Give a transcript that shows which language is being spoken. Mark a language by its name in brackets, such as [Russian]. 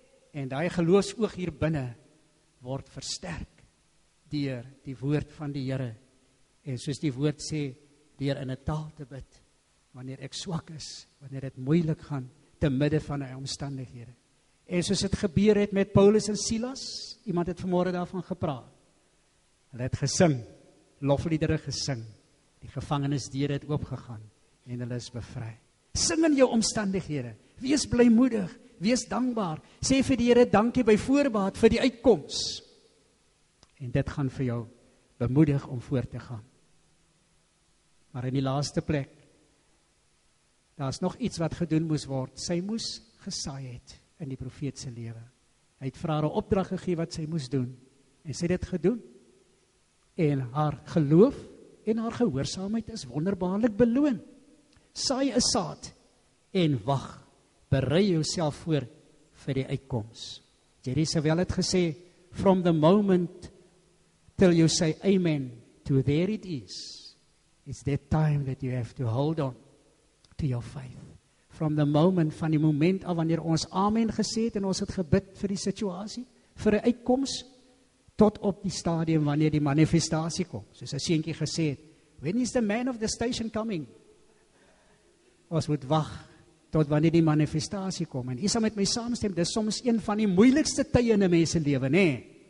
[Afrikaans] En daai geloofsoog hier binne word versterk deur die woord van die Here. En soos die woord sê, deur in 'n taal te bid wanneer ek swak is, wanneer dit moeilik gaan te midde van my omstandighede. En soos dit gebeur het met Paulus en Silas, iemand het vanmôre daarvan gepraat. Hulle het gesing, lofliedere gesing. Die gevangenisdeure het oopgegaan en hulle is bevry. Sing in jou omstandighede. Wees blymoedig, wees dankbaar. Sê vir die Here dankie by voorbaat vir die uitkoms. En dit gaan vir jou bemoedig om voort te gaan. Maar in die laaste plek, daar is nog iets wat gedoen moes word. Sy moes gesaai het in die profeet se lewe. Hy het vir haar 'n opdrag gegee wat sy moes doen. En sy het dit gedoen. En haar geloof en haar gehoorsaamheid is wonderbaarlik beloon. Saai 'n saad en wag. Berei jouself voor vir die uitkoms. [English] Jerisabel [Afrikaans] het gesê, [English] from the moment till you say amen to there it is, it's that time that you have to hold on to your faith. From the moment, [Afrikaans] van die moment af wanneer ons amen gesê het en ons het gebid vir die situasie, vir die uitkoms, tot op die stadium wanneer die manifestasie kom. Soos 'n seentjie gesê het, [English] when is the man of the station coming? [Afrikaans] Ons moet wag tot wanneer die manifestasie kom. En jy sal met my saamstem, dis soms een van die moeilikste tye in 'n mens se lewe, nê?